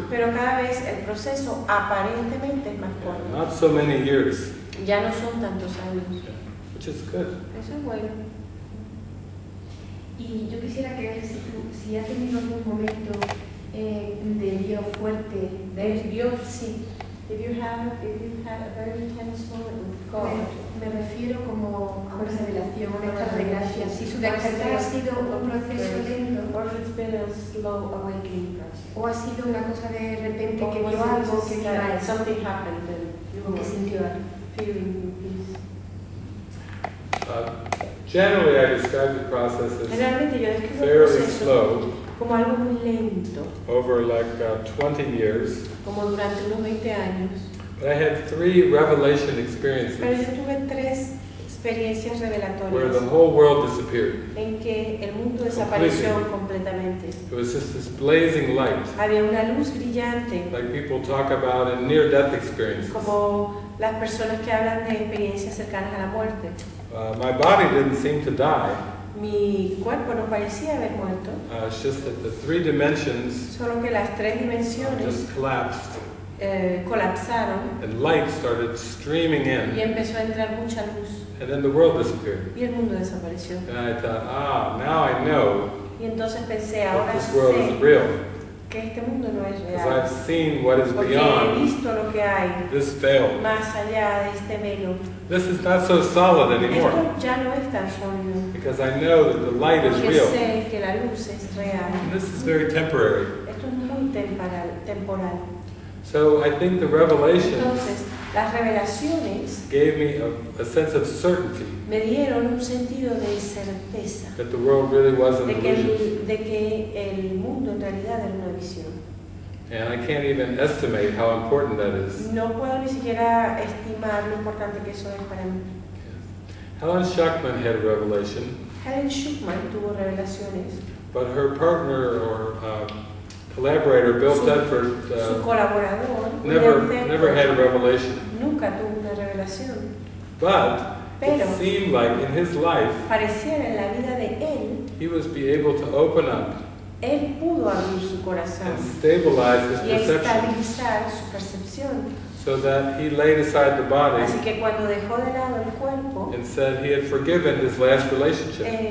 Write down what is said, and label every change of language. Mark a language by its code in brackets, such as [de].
[es] Pero cada vez el proceso aparentemente es más corto. [en] Not so many years. [es] Ya no son tantos años. [en] Which is good. [es] Eso es bueno. Y yo quisiera que ver si has tenido algún momento de Dios fuerte. De Dios, sí. [en] If you had a very intense moment with God, [es] me refiero como a una revelación, una acción de gracias. Si su despertar ha sido un proceso lento, [en] or if it's been a slow awakening process, [es] o ha sido una cosa de repente que vio algo, que vio algo, [en] something happened, and you [es] sintió [en] feeling peace. Generally, I describe the process as fairly slow. [es] Como algo muy lento. [en] Over like 20 years. [es] Como durante unos 20 años. [en] But I had three revelation experiences. [es] Pero yo tuve tres experiencias revelatorias. [en] Where the whole world disappeared. [es] En que el mundo desapareció completamente. [en] It was just this blazing light. [es] Había una luz brillante. [en] Like people talk about in near-death experiences. [es] Como las personas que hablan de experiencias cercanas a la muerte. [en] My body didn't seem to die. [es] Mi cuerpo no parecía haber muerto. [en] It's just that the three dimensions [es] solo que las tres dimensiones [en] just collapsed. [es] Colapsaron. [en] And light started streaming in. [es] Y empezó a entrar mucha luz. [en] And then the world disappeared. [es] Y el mundo desapareció. [en] And I thought, ah, now I know. [es] Y entonces pensé, ahora [en] this world is real. [es] Que este mundo no es real. [en] Because I've seen what is beyond. [es] Porque he visto lo que hay. [en] This veil. [es] Más allá de este velo. [en] This is not so solid anymore. [es] Esto ya no es tan sólido. [en] Because I know that the light [es] Porque [en] is real. [es] Sé que la luz es real. [en] And this is very temporary. [es] Esto es muy temporal. [en] So I think the revelations [es] Entonces, las revelaciones [en] gave me a sense of certainty [es] me dieron un sentido de certeza [en] that the world really wasn't [es] de que el mundo en realidad era una visión. [en] And I can't even estimate how important that is. [es] No puedo ni siquiera estimar lo importante que eso es para mí. [en] Helen Schuckman had a revelation. [es] Helen Schuckman tuvo revelaciones. [en] But her partner or collaborator Bill Thetford never had a revelation. [es] Nunca tuvo una revelación. [en] But [es] Pero, [en] it seemed like in his life [es] pareciera en la vida de él, [en] he was be able to open up [es] él pudo abrir su corazón [en] and stabilize his [es] y estabilizar su percepción. [en] So that he laid aside the body [es] Así que cuando dejó de lado el cuerpo, [en] and said he had forgiven his last relationship.